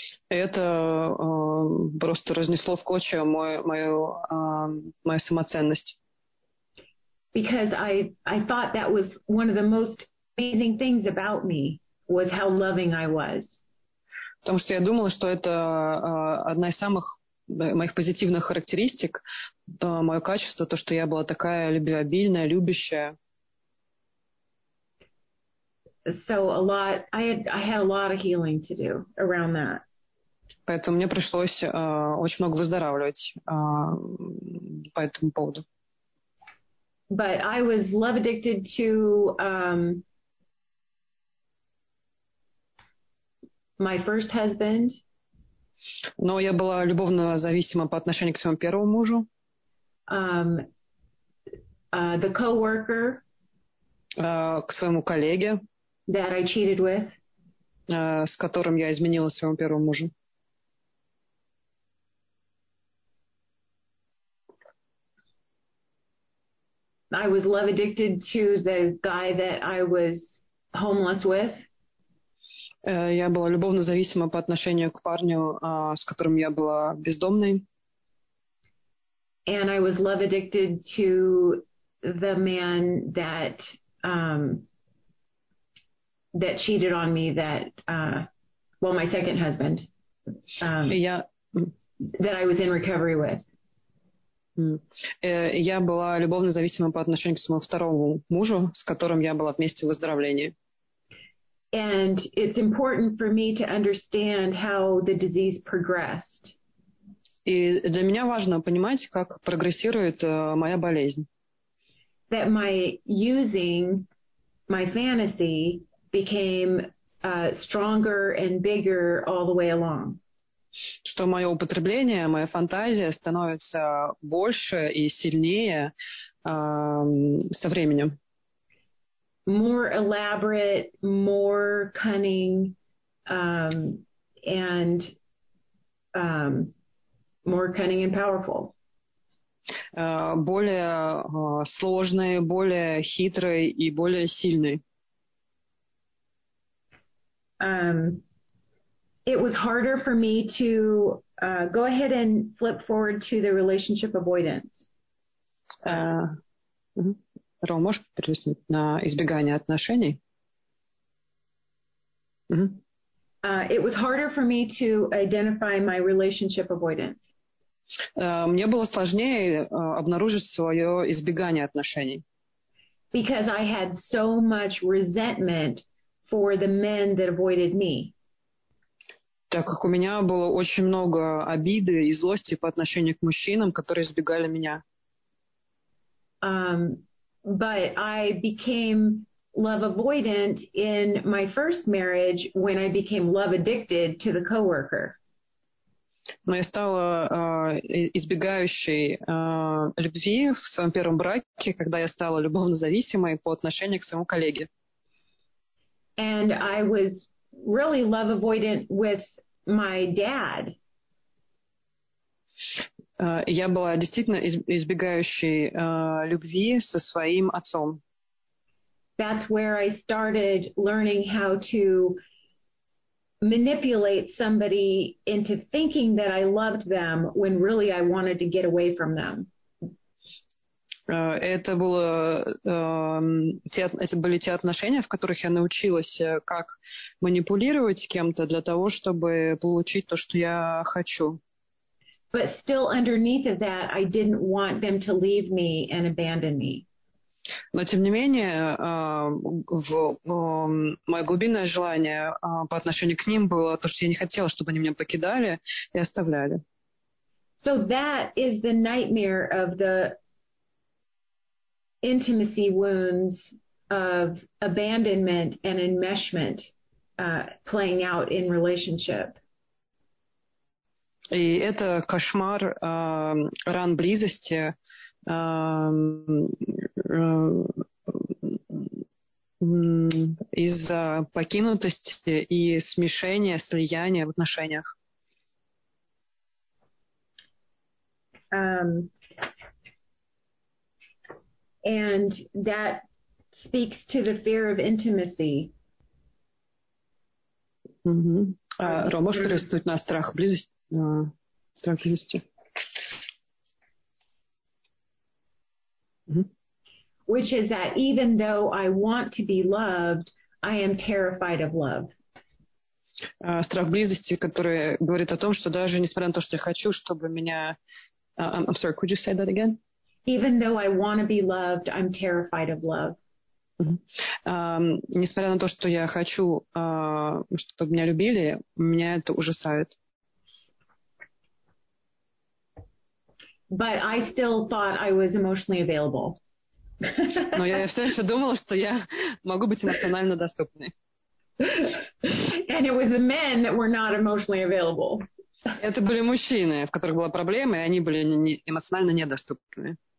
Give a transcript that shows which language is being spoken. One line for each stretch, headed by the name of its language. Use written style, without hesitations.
Russian: Это просто разнесло в клочья мою самоценность.
English: Because I thought that was one of the most amazing things about me was how loving I was.
Russian: Потому что я думала, что это одна из самых моих позитивных характеристик, мое качество, то, что я была такая любвеобильная, любящая.
English: So a lot I had a lot of healing to do around that.
Russian: Поэтому мне пришлось очень много выздоравливать по этому поводу.
English: But I was love addicted to my first husband.
Russian: Но я была любовно зависима по отношению к своему первому мужу.
English: The coworker.
Russian: К своему коллеге.
English: That I cheated with.
Russian: С которым я изменила своему первому мужу.
English: I was love addicted to the guy that I was homeless with.
Russian: Я была любовно зависима по отношению к парню, с которым я была бездомной.
English: And I was love addicted to the man that that cheated on me, that well, my second husband. That I was in recovery with.
Russian: Я была любовно зависима по отношению к своему второму мужу, с которым я была вместе в выздоровлении.
English: And it's important for me to understand how the disease progressed.
Russian: И для меня важно понимать, как прогрессирует моя болезнь.
English: That my using my fantasy became stronger and bigger all the way along.
Russian: что мое употребление, моя фантазия становится больше и сильнее со временем.
English: More elaborate, more cunning, and more cunning and powerful.
Russian: Более сложный, более хитрый и более сильный.
English: It was harder for me to go ahead and flip forward to the relationship avoidance.
Russian: Ром, можешь перевести на избегание отношений?
English: It was harder for me to identify my relationship avoidance.
Russian: Мне было сложнее обнаружить свое избегание отношений.
English: Because I had so much resentment for the men that avoided me.
Russian: Так как у меня было очень много обиды и злости по отношению к мужчинам, которые избегали меня.
English: But I became love avoidant in my first marriage when I became love addicted to the coworker.
Russian: Но я стала избегающей любви в своем первом браке, когда я стала любовно зависимой по отношению к своему коллеге.
English: And I was really love avoidant with my dad.
Russian: Я была действительно избегающей любви со своим отцом.
English: That's where I started learning how to manipulate somebody into thinking that I loved them when really I wanted to get away from them.
Russian: Это были те отношения, в которых я научилась, как манипулировать кем-то для того, чтобы получить то, что я хочу.
English: But still underneath of that, I didn't want them to leave me and abandon me.
Russian: Но, тем не менее, мое глубинное желание по отношению к ним было то, что я не хотела, чтобы они меня покидали и оставляли.
English: So that is the nightmare of the intimacy wounds of abandonment and enmeshment playing out in relationship.
Russian: И это кошмар ран близости, из-за покинутости и смешения, слияния в отношениях.
English: And that speaks to the fear of intimacy.
Russian: Ром, можешь перевести на страх близости? Страх близости.
English: Which is that even though I want to be loved, I am terrified of love.
Russian: Страх близости, который говорит о том, что даже несмотря на то, что я хочу, чтобы меня...
English: I'm sorry, could you say that again? Even though I want to be loved, I'm terrified of love.
Russian: Несмотря на то, что я хочу, чтобы меня любили, меня это ужасает.
English: But I still thought I was emotionally available.
Russian: Но я все еще думала, что я могу быть эмоционально доступной.
English: And it was the men that were not emotionally available.
Russian: Это были мужчины, в которых была проблема, и они были эмоционально недоступны.